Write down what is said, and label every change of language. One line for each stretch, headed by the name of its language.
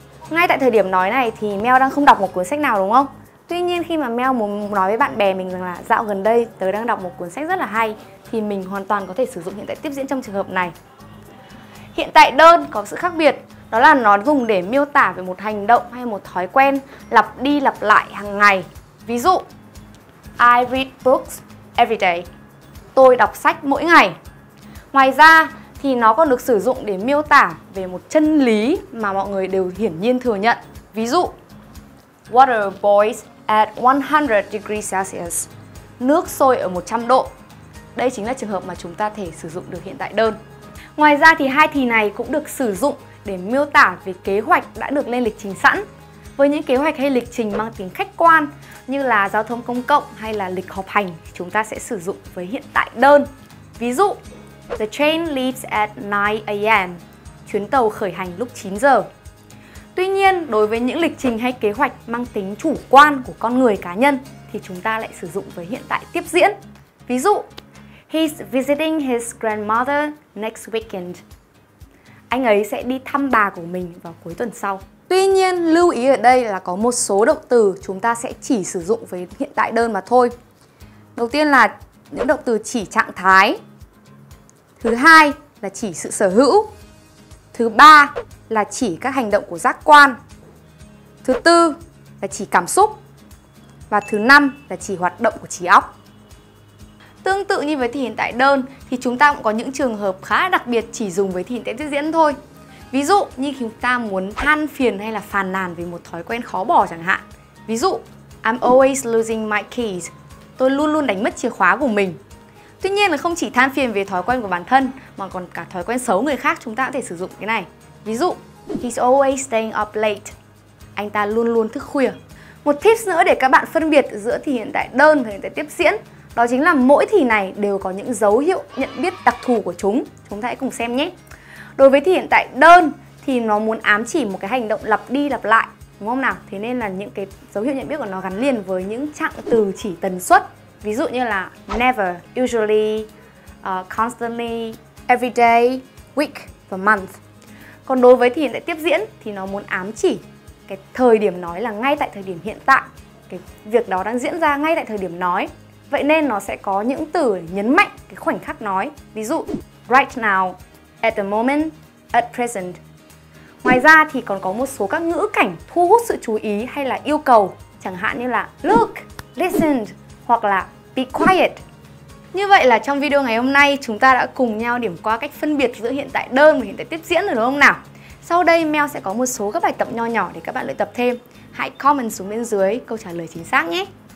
Vietnamese: Ngay tại thời điểm nói này thì Mel đang không đọc một cuốn sách nào, đúng không? Tuy nhiên, khi mà Mel muốn nói với bạn bè mình rằng là dạo gần đây tớ đang đọc một cuốn sách rất là hay, thì mình hoàn toàn có thể sử dụng hiện tại tiếp diễn trong trường hợp này. Hiện tại đơn có sự khác biệt, đó là nó dùng để miêu tả về một hành động hay một thói quen lặp đi lặp lại hàng ngày. Ví dụ,
English: I read books every day.
Vietnamese: Tôi đọc sách mỗi ngày. Ngoài ra thì nó còn được sử dụng để miêu tả về một chân lý mà mọi người đều hiển nhiên thừa nhận. Ví dụ,
English: water boils at 100 degrees Celsius.
Vietnamese: Nước sôi ở 100 độ. Đây chính là trường hợp mà chúng ta thể sử dụng được hiện tại đơn. Ngoài ra thì hai thì này cũng được sử dụng để miêu tả về kế hoạch đã được lên lịch trình sẵn. Với những kế hoạch hay lịch trình mang tính khách quan như là giao thông công cộng hay là lịch họp hành, chúng ta sẽ sử dụng với hiện tại đơn. Ví dụ,
English: the train leaves at 9 a.m.
Vietnamese: Chuyến tàu khởi hành lúc 9 giờ. Tuy nhiên, đối với những lịch trình hay kế hoạch mang tính chủ quan của con người cá nhân thì chúng ta lại sử dụng với hiện tại tiếp diễn. Ví dụ,
English: he's visiting his grandmother next weekend.
Vietnamese: Anh ấy sẽ đi thăm bà của mình vào cuối tuần sau. Tuy nhiên, lưu ý ở đây là có một số động từ chúng ta sẽ chỉ sử dụng với hiện tại đơn mà thôi. Đầu tiên là những động từ chỉ trạng thái. Thứ hai là chỉ sự sở hữu. Thứ ba là chỉ các hành động của giác quan. Thứ tư là chỉ cảm xúc. Và thứ năm là chỉ hoạt động của trí óc. Tương tự như với thì hiện tại đơn thì chúng ta cũng có những trường hợp khá đặc biệt chỉ dùng với thì hiện tại tiếp diễn thôi. Ví dụ như khi chúng ta muốn than phiền hay là phàn nàn về một thói quen khó bỏ chẳng hạn. Ví dụ,
English: I'm always losing my keys.
Vietnamese: Tôi luôn luôn đánh mất chìa khóa của mình. Tuy nhiên là không chỉ than phiền về thói quen của bản thân mà còn cả thói quen xấu người khác chúng ta có thể sử dụng cái này. Ví dụ,
English: he's always staying up late.
Vietnamese: Anh ta luôn luôn thức khuya. Một tips nữa để các bạn phân biệt giữa thì hiện tại đơn và hiện tại tiếp diễn, đó chính là mỗi thì này đều có những dấu hiệu nhận biết đặc thù của chúng. Chúng ta hãy cùng xem nhé. Đối với thì hiện tại đơn thì nó muốn ám chỉ một cái hành động lặp đi lặp lại, đúng không nào? Thế nên là những cái dấu hiệu nhận biết của nó gắn liền với những trạng từ chỉ tần suất. Ví dụ như là
English: never, usually, constantly, every day, week
Vietnamese: và
English: month.
Vietnamese: Còn đối với thì hiện tại tiếp diễn thì nó muốn ám chỉ cái thời điểm nói là ngay tại thời điểm hiện tại. Cái việc đó đang diễn ra ngay tại thời điểm nói. Vậy nên nó sẽ có những từ nhấn mạnh cái khoảnh khắc nói. Ví dụ,
English: right now, at the moment, at present.
Vietnamese: Ngoài ra thì còn có một số các ngữ cảnh thu hút sự chú ý hay là yêu cầu. Chẳng hạn như là look, listen hoặc là
English: be quiet.
Vietnamese: Như vậy là trong video ngày hôm nay chúng ta đã cùng nhau điểm qua cách phân biệt giữa hiện tại đơn và hiện tại tiếp diễn rồi, đúng không nào? Sau đây Mel sẽ có một số các bài tập nho nhỏ để các bạn luyện tập thêm. Hãy comment xuống bên dưới câu trả lời chính xác nhé.